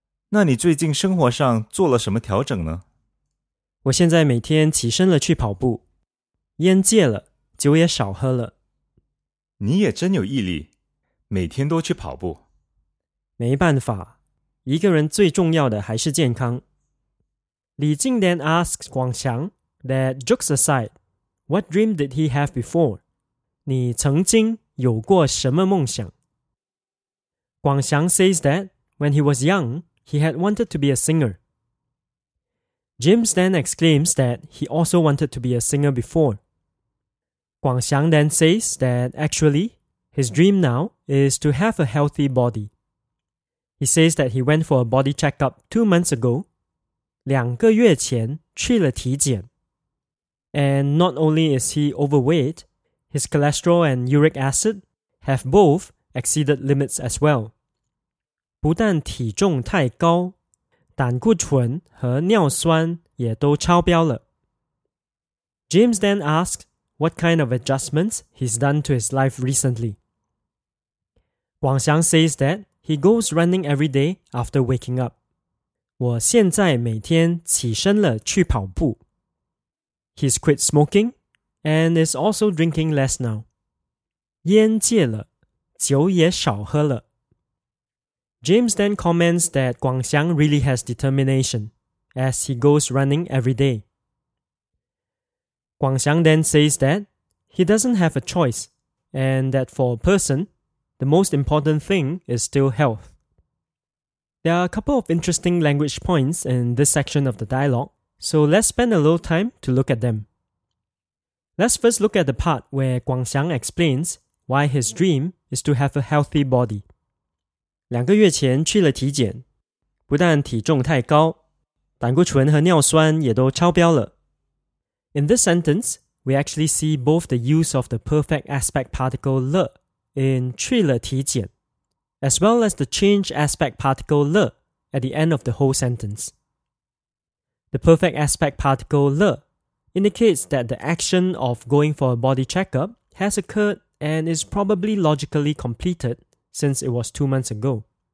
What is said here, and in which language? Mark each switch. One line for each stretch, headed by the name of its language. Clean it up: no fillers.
Chinese: 那你最近生活上做了什么调整呢？我现在每天起身了去跑步，烟戒了，酒也少喝了。你也真有毅力，每天都去跑步。没办法，一个人最重要的还是健康。
English: 李静 then asks 广翔 that jokes aside, what dream did he have before?
Chinese: 你曾经有过什么梦想？
English: 广翔 says that when he was young,He had wanted to be a singer. James then exclaims that he also wanted to be a singer before. 广翔 then says that actually, his dream now is to have a healthy body. He says that he went for a body checkup 2 months ago,
Chinese: 两个月前去了体检。
English: And not only is he overweight, his cholesterol and uric acid have both exceeded limits as well.
Chinese: 不但体重太高，胆固醇和尿酸也都超标了。
English: James then asks what kind of adjustments he's done to his life recently. 广翔 says that he goes running every day after waking up.
Chinese: 我现在每天起身了去跑步。
English: He's quit smoking and is also drinking less now.
Chinese: 烟戒了，酒也少喝了。
English: James then comments that 广翔 really has determination as he goes running every day. 广翔 then says that he doesn't have a choice and that for a person, the most important thing is still health. There are a couple of interesting language points in this section of the dialogue, so let's spend a little time to look at them. Let's first look at the part where 广翔 explains why his dream is to have a healthy body.
Chinese: 两个月前去了体检，不但体重太高，胆固醇和尿酸也都超标了。
English: In this sentence, we actually see both the use of the perfect aspect particle 了 in
Chinese: 去了体检
English: as well as the change aspect particle 了 at the end of the whole sentence. The perfect aspect particle 了 indicates that the action of going for a body checkup has occurred and is probably logically completed since it was 2 months ago.